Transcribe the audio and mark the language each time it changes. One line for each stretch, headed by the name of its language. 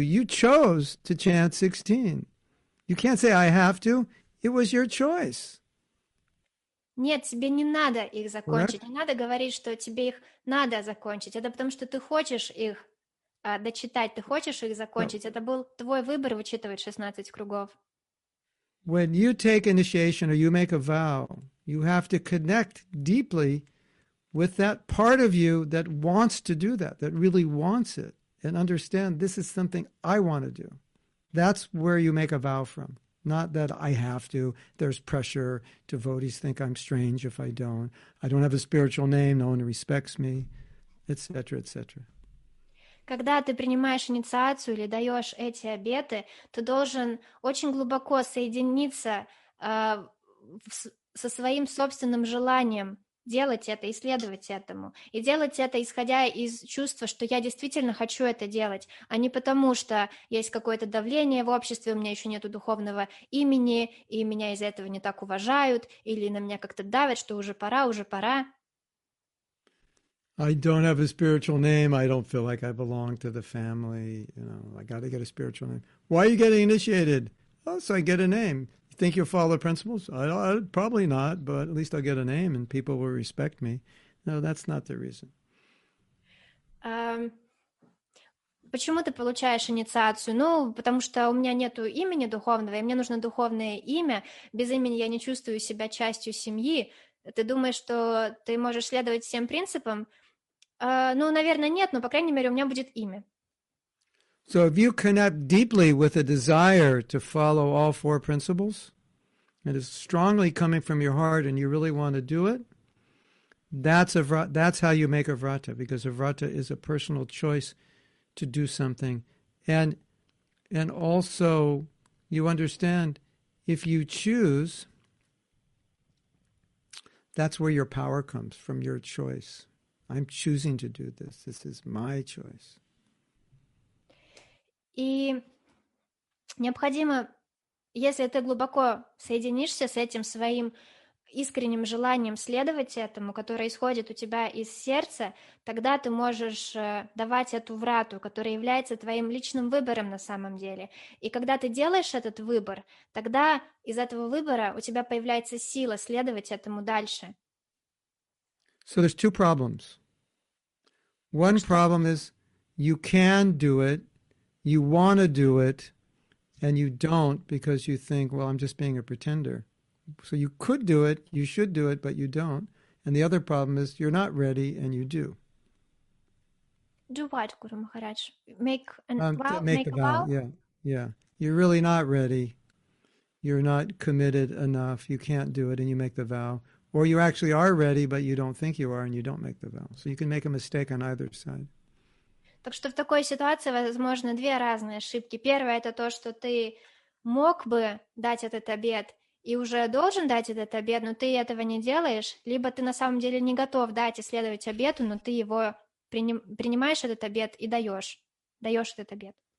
English: You chose to chant 16. You can't say I have to. It was your choice.
Russian: Нет, тебе не надо их закончить.
English: Correct?
Russian: Не надо говорить, что тебе их надо закончить. Это потому, что ты хочешь их дочитать, ты хочешь их закончить.
English: No.
Russian: Это был твой выбор, вычитывать 16 кругов.
English: When you take initiation or you make a vow, you have to connect deeply with that part of you that wants to do that, that really wants it, and understand this is something I want to do. That's where you make a vow from. Not that I have to, there's pressure, devotees think I'm strange if I don't. I don't have a spiritual name, no one respects me, etc., etc.
Russian: Когда ты принимаешь инициацию или даешь эти обеты, ты должен очень глубоко соединиться со своим собственным желанием делать это и следовать этому. И делать это, исходя из чувства, что я действительно хочу это делать, а не потому, что есть какое-то давление в обществе, у меня еще нету духовного имени, и меня из-за этого не так уважают, или на меня как-то давят, что уже пора, уже пора.
English: I don't have a spiritual name. I don't feel like I belong to the family. You know, I got to get a spiritual name. Why are you getting initiated? Oh, so I get a name. You think you'll follow the principles? Probably not, but at least I'll get a name and people will respect me. No, that's not the reason.
Russian: Почему ты получаешь инициацию? Ну, потому что у меня нету имени духовного, и мне нужно духовное имя. Без имени я не чувствую себя частью семьи. Ты думаешь, что ты можешь следовать всем принципам? Ну, наверное, нет, но, по крайней мере, у меня будет имя.
English: So if you connect deeply with a desire to follow all four principles, and it's strongly coming from your heart and you really want to do it, that's how you make a vrata, because a vrata is a personal choice to do something. And also, you understand, if you choose, that's where your power comes, from your choice. I'm choosing to do this. This is my choice.
Russian: И необходимо, если ты глубоко соединишься с этим своим искренним желанием следовать этому, которое исходит у тебя из сердца, тогда ты можешь давать эту врату, которая является твоим личным выбором на самом деле. И когда ты делаешь этот выбор, тогда из этого выбора у тебя появляется сила следовать этому дальше.
English: So there's two problems. One problem is you can do it, you want to do it, and you don't because you think, well, I'm just being a pretender. So you could do it, you should do it, but you don't. And the other problem is you're not ready and you do. Do what, Guru Maharaj? Make a vow? Yeah, yeah. You're really not ready. You're not committed enough. You can't do it and you make the vow. Or you actually are ready, but you don't think you are and you don't make the vow. So you can make a mistake on either side.
Russian: Так что в такой ситуации возможно две разные ошибки. Первое — это то, что ты мог бы дать этот обет и уже должен дать этот обет, но ты этого не делаешь, либо ты на самом деле не готов дать и следовать обету, но ты его принимаешь этот обет и даешь этот обет.